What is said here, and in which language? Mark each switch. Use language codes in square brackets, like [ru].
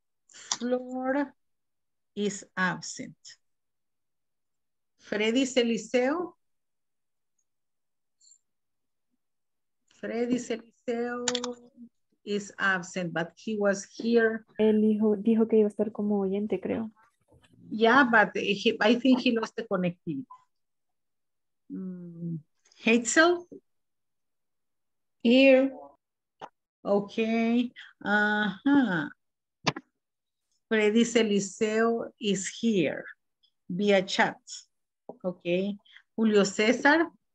[en] Flor is absent. Freddy Celiseo? Freddy Celiseo is absent, but he was here. [es] El hijo dijo que iba a estar como oyente, creo. [en] Yeah, but I think he lost the connectivity. Hazel? Here. Okay. Freddy Celiseo is here via chat. Okay. Julio Cesar?